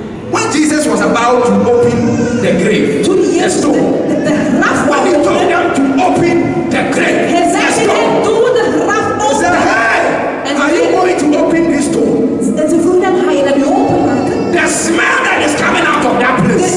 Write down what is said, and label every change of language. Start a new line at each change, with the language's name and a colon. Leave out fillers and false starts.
English: when Jesus was about to open the grave,
Dutch: toen Jezus
English: the stone,
Dutch: de
English: when he told them to open the grave, he said, hey, are you going to open this stone?
Dutch: Ze vroegen hem, ga je dat nu openmaken?
English: The smell that is coming out of that place.